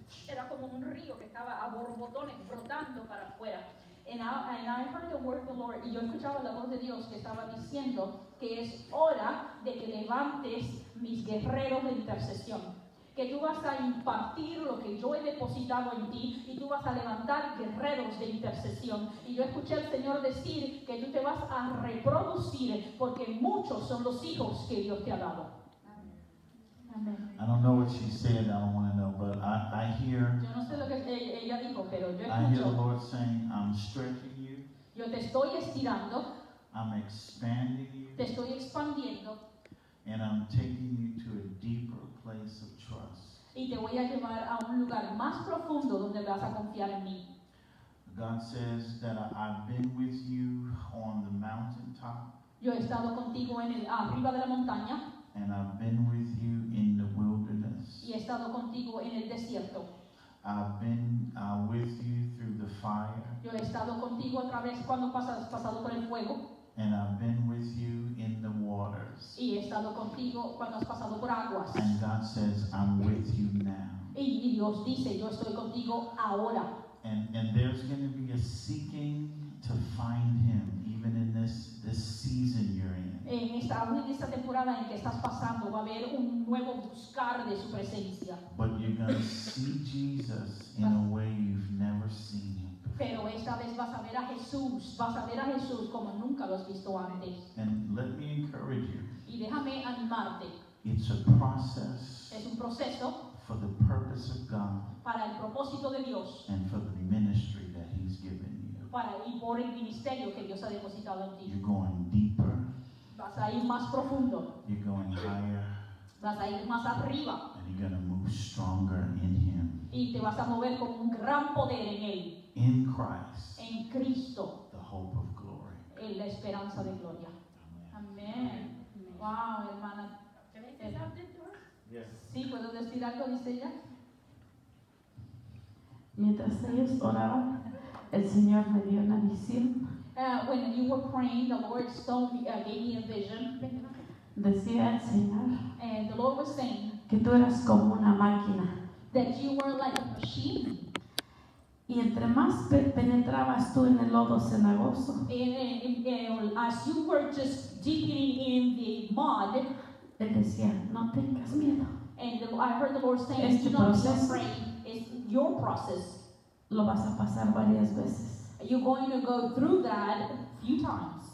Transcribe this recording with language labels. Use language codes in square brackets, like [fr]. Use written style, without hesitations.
[es] Era como un río que estaba a borbotones brotando para afuera. [en] And I heard the word of the Lord. [es] Y yo escuchaba la voz de Dios que estaba diciendo que es hora de que levantes mis guerreros de intercesión. Que tú vas a impartir lo que yo he depositado en ti y tú vas a levantar guerreros de intercesión. Y yo escuché al Señor decir que tú te vas a reproducir porque muchos son los hijos que Dios te ha dado. [en] I don't know what she said, I don't want to know, but I hear, [es] yo no sé lo que ella dijo, pero yo escucho, [en] I hear the Lord saying, I'm stretching you. [es] Yo te estoy estirando. [en] I'm expanding you. [es] Te estoy expandiendo. [en] And I'm taking you to a deeper place of trust. [es] Y te voy a llevar a un lugar más profundo donde vas a confiar en mí. [en] God says that I've been with you on the mountaintop. [es] Yo he estado contigo en el arriba de la montaña. [en] And I've been with you in the wilderness. [es] Y he estado contigo en el desierto. [en] I've been with you through the fire. [es] Yo he estado contigo otra vez cuando has pasado por el fuego. [en] And I've been with you in the waters. [es] Y he estado contigo cuando has pasado por aguas. [en] And God says, I'm with you now. [es] Y Dios dice, yo estoy contigo ahora. [en] And there's going to be a seeking to find him, even in this season you're in. [es] En esta temporada en que estás pasando, va a haber un nuevo buscar de su presencia. [en] But you're going to see Jesus in a way you've never seen him. [es] Pero esta vez vas a ver a Jesús, como nunca lo has visto antes. [en] And let me encourage you. [es] Y déjame animarte. [en] It's a process. [es] Es un proceso. [en] For the purpose of God. [es] Para el propósito de Dios. [en] And for the ministry that he's given you. [es] Para y por el ministerio que Dios ha depositado en ti. [en] You're going deeper. [es] Vas a ir más profundo. [en] You're going higher. [es] Vas a ir más arriba. [en] And you're going to move stronger in him. [es] Y te vas a mover con un gran poder en él. [en] In Christ. [es] En Cristo. [en] The hope of glory. [es] En la esperanza de gloria. Amén. Wow, hermana. Sí, ¿puedo decir algo, dice ella? Mientras ellos oraban, el Señor me dio una visión. [en] When you were praying, the Lord gave me a vision. [es] Decía el Señor. [en] And the Lord was saying. [es] Que tú eras como una máquina. [en] That you were like a machine. [es] Y entre más penetrabas tú en el lodo cenagoso. [en] And as you were just digging in the mud. [es] Él decía, no tengas miedo. [en] And I heard the Lord saying, "Do not be afraid. It's your process. [es] Lo vas a pasar varias veces. [en] You're going to go through that a few times.